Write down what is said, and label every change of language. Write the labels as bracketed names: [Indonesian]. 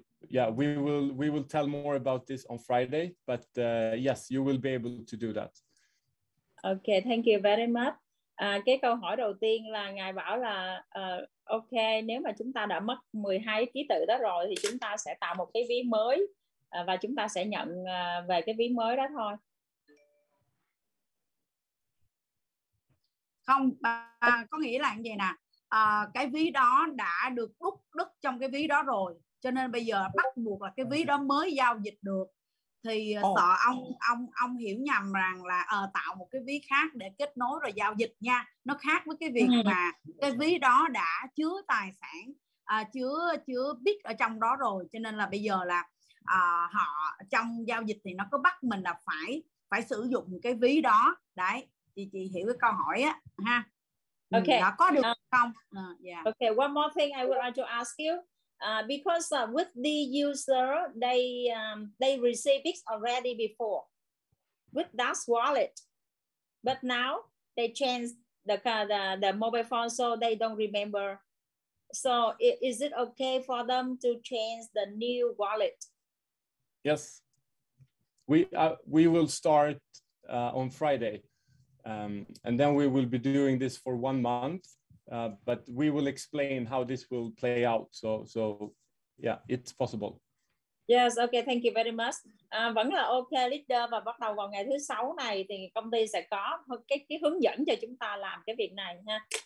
[English] Yeah, we will tell more about this on Friday, but yes, you will be able to do that. Okay, thank you very much. [Vietnamese] Cái câu hỏi đầu tiên là ngài bảo là okay, nếu mà chúng ta đã mất 12 ký tự đó rồi thì chúng ta sẽ tạo một cái ví mới và chúng ta sẽ nhận về cái ví mới đó thôi. Không, có nghĩa là như vậy nè. Cái ví đó đã được đúc đứt trong cái ví đó rồi. Cho nên bây giờ bắt buộc là cái ví đó mới giao dịch được. Thì sợ ông hiểu nhầm rằng là tạo một cái ví khác để kết nối rồi giao dịch nha. Nó khác với cái việc mà cái ví đó đã chứa tài sản, chứa bit ở trong đó rồi. Cho nên là bây giờ là họ trong giao dịch thì nó có bắt mình là phải sử dụng cái ví đó. Đấy, chị hiểu cái câu hỏi á ha. Okay. Đã có được không? [English] Okay, one more thing I would like to ask you. Because with the user, they received it already before with that wallet, but now they changed the mobile phone, so they don't remember. So is it okay for them to change the new wallet? Yes, we will start on Friday, and then we will be doing this for 1 month. But we will explain how this will play out. So yeah, it's possible. Yes, okay, thank you very much. [Vietnamese] Vẫn là okay, leader, và bắt đầu vào ngày thứ 6 này thì công ty sẽ có cái hướng dẫn cho chúng ta làm cái việc này ha.